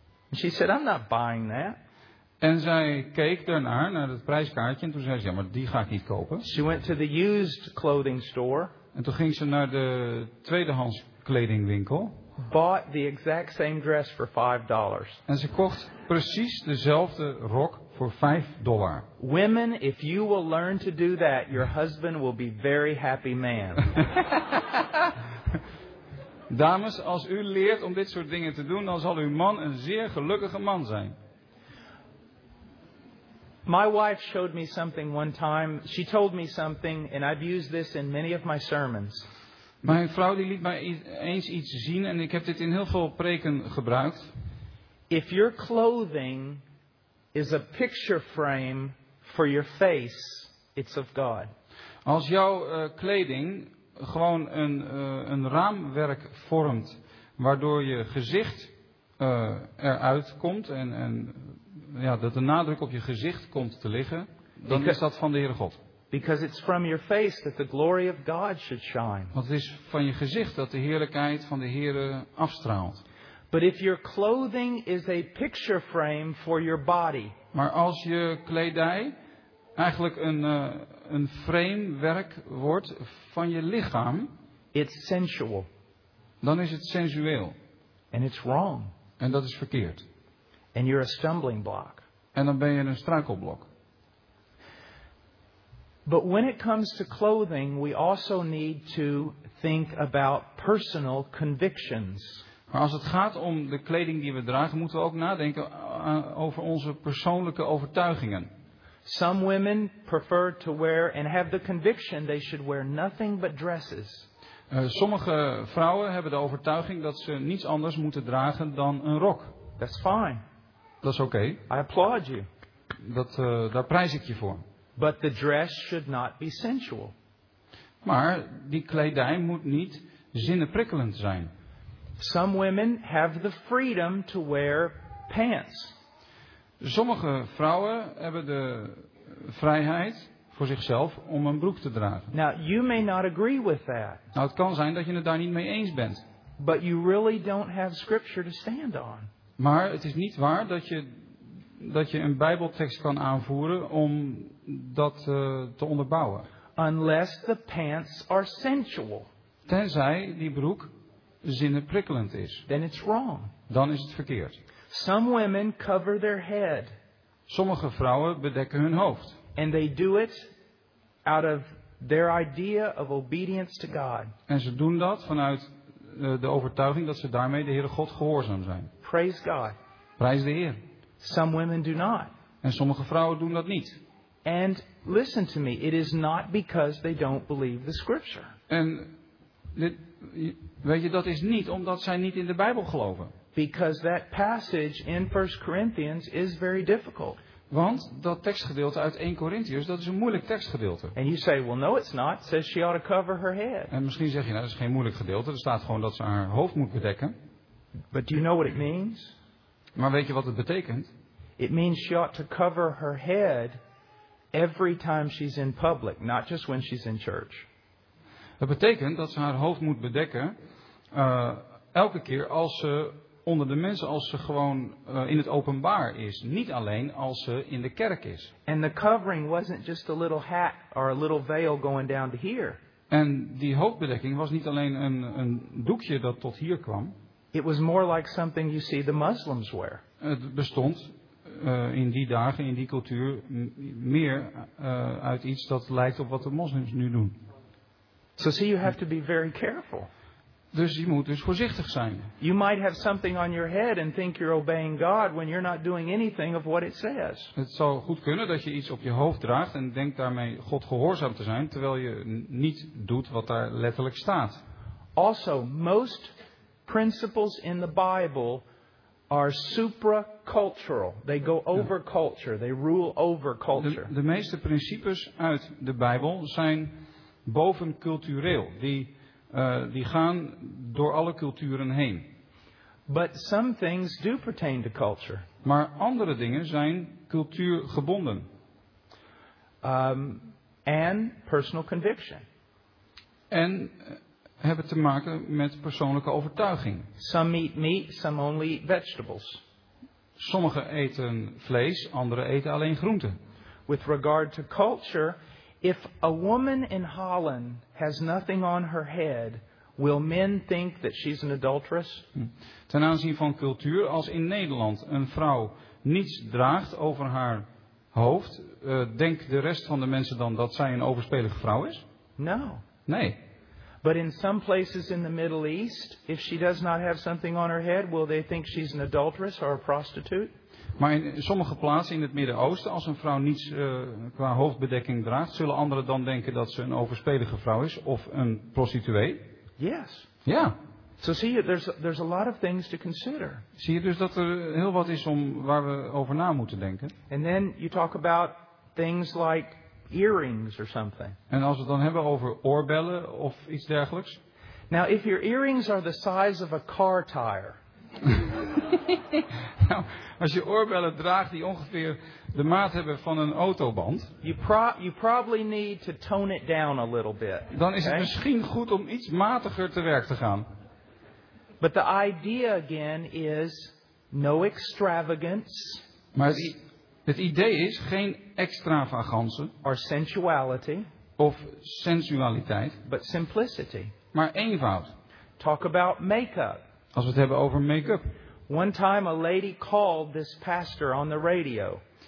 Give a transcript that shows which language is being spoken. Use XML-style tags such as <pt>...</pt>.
<en>And she said, I'm not buying that.</en> <nl>En zij keek daarnaar, naar het prijskaartje. En toen zei ze, ja, maar die ga ik niet kopen.</nl> <en>She went to the used clothing store.</en> <nl>En toen ging ze naar de tweedehands kledingwinkel.</nl> <en>Bought the exact same dress for $5.</en> <nl>En ze kocht precies dezelfde rok voor $5.</nl> <en>Women, if you will learn to do that, your husband will be very happy man.</en> <nl>Dames, als u leert om dit soort dingen te doen, dan zal uw man een zeer gelukkige man zijn.</nl> <en>My wife showed me something one time. She told me something, and I've used this in many of my sermons.</en> <nl>Mijn vrouw die liet mij eens iets zien, en ik heb dit in heel veel preken gebruikt.</nl> <en>If your clothing is a picture frame for your face, it's of God.</en> <nl>Als jouw kleding gewoon een raamwerk vormt, waardoor je gezicht eruit komt en ja, dat de nadruk op je gezicht komt te liggen, dan is dat van de Heere God.</nl> <en>Because it's from your face that the glory of God should shine.</en> <nl>Want het is van je gezicht dat de heerlijkheid van de Heere afstraalt.</nl> <en>But if your clothing is a picture frame for your body.</en> <nl>Maar als je kledij eigenlijk een framewerk wordt van je lichaam.</nl> <en>It's sensual.</en> <nl>Dan is het sensueel.</nl> <en>And it's wrong.</en> <nl>En dat is verkeerd.</nl> <en>And you're a stumbling block.</en> <nl>En dan ben je een struikelblok.</nl> <en>But when it comes to clothing, we also need to think about personal convictions.</en> <nl>Maar als het gaat om de kleding die we dragen, moeten we ook nadenken over onze persoonlijke overtuigingen.</nl> <en>Some women prefer to wear and have the conviction they should wear nothing but dresses.</en> <nl>Sommige vrouwen hebben de overtuiging dat ze niets anders moeten dragen dan een rok.</nl> <en>That's fine.</en> <nl>Dat is oké.</nl> <en>I applaud you.</en> <nl>Daar prijs ik je voor.</nl> <en>But the dress should not be sensual.</en> <nl>Maar die kledij moet niet zinnenprikkelend zijn.</nl> <en>Some women have the freedom to wear pants.</en> <nl>Sommige vrouwen hebben de vrijheid voor zichzelf om een broek te dragen.</nl> <en>Now, you may not agree with that.</en> <nl>Nou, het kan zijn dat je het daar niet mee eens bent.</nl> <en>But you really don't have scripture to stand on.</en> <nl>Maar het is niet waar dat je een Bijbeltekst kan aanvoeren om dat te onderbouwen.</nl> <en>Unless the pants are sensual.</en> <nl>Tenzij die broek zinnenprikkelend is.</nl> <en>Then it's wrong.</en> <nl>Dan is het verkeerd.</nl> <en>Some women cover their head.</en> <nl>Sommige vrouwen bedekken hun hoofd.</nl> <en>And they do it out of their idea of obedience to God.</en> <nl>En ze doen dat vanuit de overtuiging dat ze daarmee de Heere God gehoorzaam zijn.</nl> <en>Praise God.</en> <nl>Prijs de Heer.</nl> <en>Some women do not.</en> <nl>En sommige vrouwen doen dat niet.</nl> <en>And listen to me, it is not because they don't believe the scripture.</en> <nl>En dit, weet je, dat is niet omdat zij niet in de Bijbel geloven.</nl> <en>Because that passage in 1 Corinthians is very difficult.</en> <nl>Want dat tekstgedeelte uit 1 Corinthians, dat is een moeilijk tekstgedeelte.</nl> <en>And you say, well, no, it's not. It says she ought to cover her head.</en> <nl>En misschien zeg je, nou, dat is geen moeilijk gedeelte. Er staat gewoon dat ze haar hoofd moet bedekken.</nl> <en>But do you know what it means?</en> <nl>Maar weet je wat het betekent?</nl> <en>It means she ought to cover her head every time she's in public, not just when she's in church.</en> <nl>Dat betekent dat ze haar hoofd moet bedekken elke keer als ze onder de mensen, als ze gewoon in het openbaar is, niet alleen als ze in de kerk is.</nl> <en>And the covering wasn't just a little hat or a little veil going down to here.</en> <nl>En die hoofdbedekking was niet alleen een doekje dat tot hier kwam.</nl> <en>It was more like something you see the Muslims wear.</en> <nl>Het bestond in die dagen, in die cultuur, meer uit iets dat lijkt op wat de moslims nu doen.</nl> <en>So see, you have to be very careful.</en> <nl>Dus je moet dus voorzichtig zijn.</nl> <en>You might have something on your head and think you're obeying God when you're not doing anything of what it says.</en> <nl>Het zou goed kunnen dat je iets op je hoofd draagt en denkt daarmee God gehoorzaam te zijn, terwijl je niet doet wat daar letterlijk staat.</nl> <en>Also, most principles in the Bible are supra-cultural. They go over culture. They rule over culture.</en> <nl>De meeste principes uit de Bijbel zijn bovencultureel. Die gaan door alle culturen heen.</nl> <en>But some things do pertain to culture.</en> <nl>Maar andere dingen zijn cultuurgebonden.</nl> <en>And personal conviction.</en> <nl>En hebben te maken met persoonlijke overtuiging.</nl> <en>Some eat meat, some only eat vegetables.</en> <nl>Sommigen eten vlees, anderen eten alleen groenten.</nl> <en>With regard to culture, if a woman in Holland has nothing on her head, will men think that she's an adulteress?</en> <nl>Ten aanzien van cultuur, als in Nederland een vrouw niets draagt over haar hoofd, denkt de rest van de mensen dan dat zij een overspelige vrouw is?</nl> <en>No.</en> <nl>Nee.</nl> <en>But in some places in the Middle East, if she does not have something on her head, will they think she's an adulteress or a prostitute?</en> <nl>Maar in sommige plaatsen in het Midden-Oosten, als een vrouw niets qua hoofdbedekking draagt, zullen anderen dan denken dat ze een overspelige vrouw is of een prostituee?</nl> <en>Yes.</en> <nl>Ja.</nl> <en>So see, there's a lot of things to consider.</en> <nl>Zie je dus dat er heel wat is om waar we over na moeten denken?</nl> <en>And then you talk about things like earrings or something.</en> <nl>En als we het dan hebben over oorbellen of iets dergelijks.</nl> <en>Now, if your earrings are the size of a car tire.</en> <nl>Nou, als je oorbellen draagt die ongeveer de maat hebben van een autoband.</nl> <en>You probably need to tone it down a little bit.</en> <nl>Dan is het misschien goed om iets matiger te werk te gaan.</nl> <en>But the idea again is no extravagance.</en> <nl>Maar het idee is geen extravagance</nl> <en>or sensuality,</en> <nl>of sensualiteit,</nl> <en>but simplicity.</en> <nl>Maar eenvoud.</nl> <en>Talk about make-up.</en> <nl>Als we het hebben over make-up.</nl> <en>One time a lady called this pastor on the radio.</en>